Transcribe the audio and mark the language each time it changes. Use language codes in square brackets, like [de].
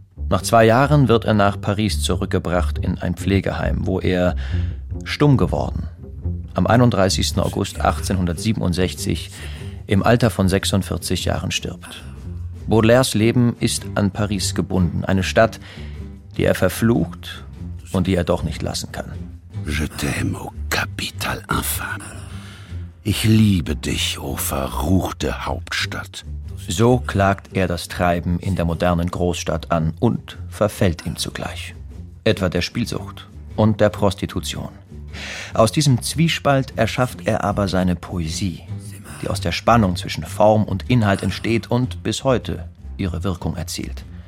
[de] Nach 2 Jahren wird er nach Paris zurückgebracht in ein Pflegeheim, wo er stumm geworden. Am 31. August 1867, im Alter von 46 Jahren, stirbt. Baudelaires Leben ist an Paris gebunden, eine Stadt, die er verflucht und die er doch nicht lassen kann. [fr] Je t'aime, au capital infâme. [de] Ich liebe dich, o verruchte Hauptstadt. So klagt er das Treiben in der modernen Großstadt an und verfällt ihm zugleich. Etwa der Spielsucht und der Prostitution. Aus diesem Zwiespalt erschafft er aber seine Poesie, die aus der Spannung zwischen Form und Inhalt entsteht und bis heute ihre Wirkung erzielt.